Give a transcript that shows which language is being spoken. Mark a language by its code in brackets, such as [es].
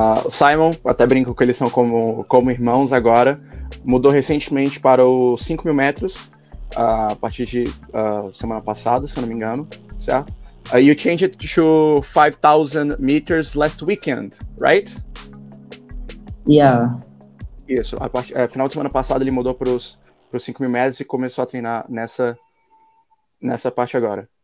[pt] Simon, até brinco que eles são como irmãos agora. Mudou recentemente para os 5000 metros a partir de semana passada, se eu não me engano, certo? [en] You changed it to 5,000 meters last weekend, right? Yeah. [pt] Isso. Final de semana passada ele mudou para os 5 mil metros e começou a treinar nessa parte agora.